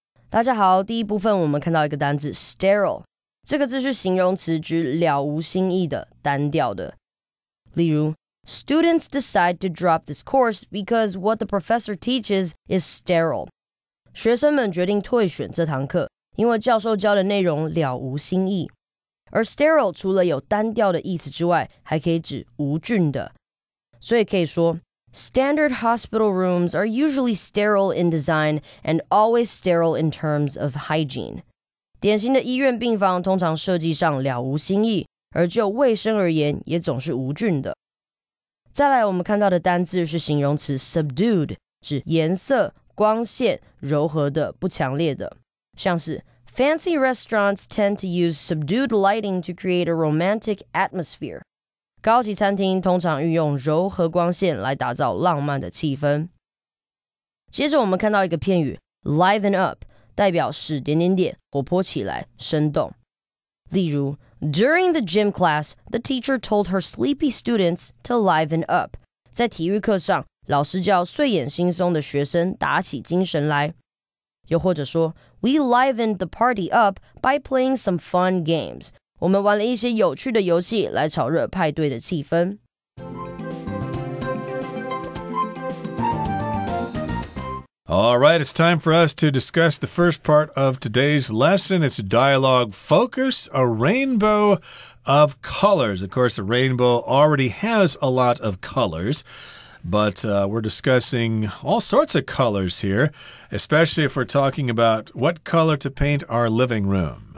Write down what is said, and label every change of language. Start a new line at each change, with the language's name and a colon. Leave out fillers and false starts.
Chinese: 大家好，第一部分我们看到一个单字 sterile， 这个字是形容词，指了无新意的、单调的。例如
English: ，Students decide to drop this course because what the professor teaches is sterile。
Chinese: 学生们决定退选这堂课，因为教授教的内容了无新意。而 sterile 除了有单调的意思之外，还可以指无菌的，所以可以说。
English: Standard hospital rooms are usually sterile in design and always sterile in terms of hygiene.
Chinese: 典型的医院病房通常设计上了无新意，而就卫生而言也总是无菌的。再来我们看到的单字是形容词 subdued, 指颜色、光线柔和的、不强烈的。像是
English: Fancy restaurants tend to use subdued lighting to create a romantic atmosphere.
Chinese: 高级餐厅通常运用柔和光线来打造浪漫的气氛。接着我们看到一个片语 liven up， 代表使点点点活泼起来，生动。例如
English: ，During the gym class, the teacher told her sleepy students to liven up。
Chinese: 在体育课上，老师叫睡眼惺忪的学生打起精神来。又或者说
English: ，We livened the party up by playing some fun games。
Chinese: 我们玩了一些有趣的游戏来炒热派对的气氛。
English: All right, it's time for us to discuss the first part of today's lesson. It's dialogue focus, a rainbow of colors. Of course, a rainbow already has a lot of colors. But we're discussing all sorts of colors here, especially if we're talking about what color to paint our living room.